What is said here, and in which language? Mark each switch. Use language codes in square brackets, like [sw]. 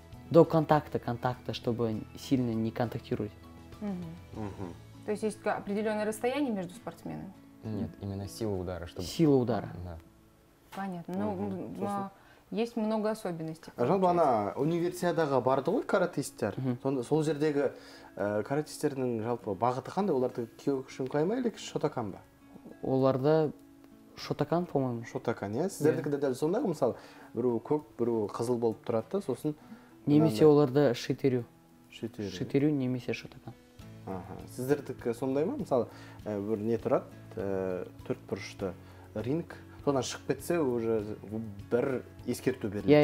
[ru] До контакта, чтобы сильно не контактировать. Угу. То есть определенное расстояние между спортсменами? Нет, именно сила удара. Чтобы... Сила удара. Да. Понятно. Угу. Ну, есть много особенностей. [kk] Жалпы, ана универсиадаға барды ғой каратистер. Сол жердегі каратистердің жалпы бағыты қандай? Оларды кикушин қоя ма, или шотокан ба? Оларды шотокан, по-моему. Шотокан, иә? Сіздердікі де дәл сондай ғой, мысалы, біреуі көк, біреуі қызыл болып тұрады да, сосын... Немесе оларда шитерю. Шитерю. Шитерю немесе шотокан. Ага. Сіздердікі сондай ма? Мысалы, бір не тұрады? Төрт бұрышты ринг. Сонда шығып кетсе, уже бір ескерту беріледі.